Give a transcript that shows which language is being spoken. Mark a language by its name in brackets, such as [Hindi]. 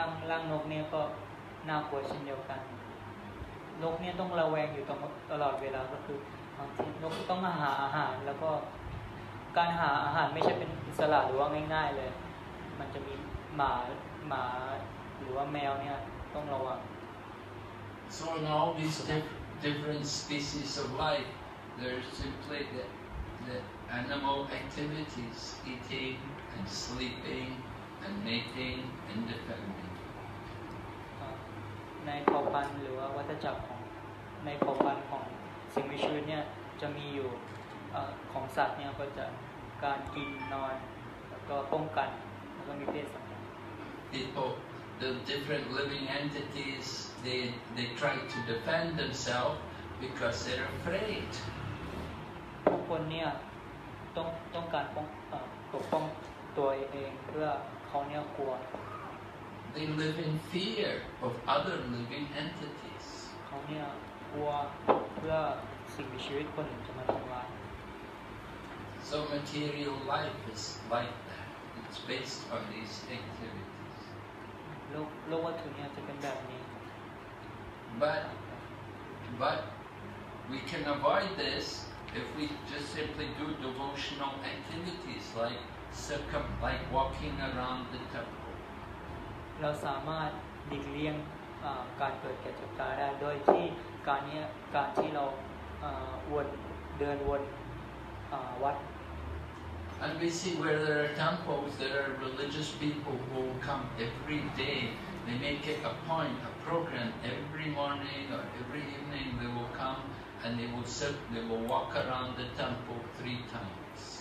[Thai] ร่างนกเนี่ยก็น่ากลัวเช่นเดียวกันนกเนี่ยต้องระแวงอยู่ตลอดเวลาก็คือนกต้องหาอาหารแล้วก็การหาอาหารไม่ใช่เป็นอิสระหรือว่าง่ายๆเลยมันจะมีหมาหรือว่าแมวเนี่ยต้องระวัง [English] So in all these different species of life there's simply the animal activities eating and sleeping and mating and defending. [Thai] ในเผ่าพันธุ์หรือว่าวัฏจักรของในเผ่าพันธุ์ของสิ่งมีชีวิตเนี่ยจะมีอยู่ของสัตว์เนี่ยก็จะการกินนอนแล้วก็ป้องกันแล้วก็มีเพศสัมพันธ์ [English] People, the different living entities they try to defend themselves because they're afraid [Thai] ทุกคนเนี่ยต้องการปกป้องตัวเองเพื่อเขาเนี่ยกลัว [English] They live in fear of other living entities. [Thai] เขาเนี่ยกลัวเพื่อสิ่งมีชีวิตคนอื่นจะมาทำร้าย [English] So material life is like that. It's based on these activities. [Thai] โลกวัตถุเนี่ยจะเป็นแบบนี้ [English] But we can avoid this if we just simply do devotional activities like walking around the temple. [Thai] เราสามารถหลีกเลี่ยงการเกิดแก่เจ็บตายได้โดยที่การนี้การที่เราวนเดินวนวัด [English] And we see where there are temples there are religious people who come every day they make it a point a program every morning or every evening they will come and they will sit they will walk around the temple three times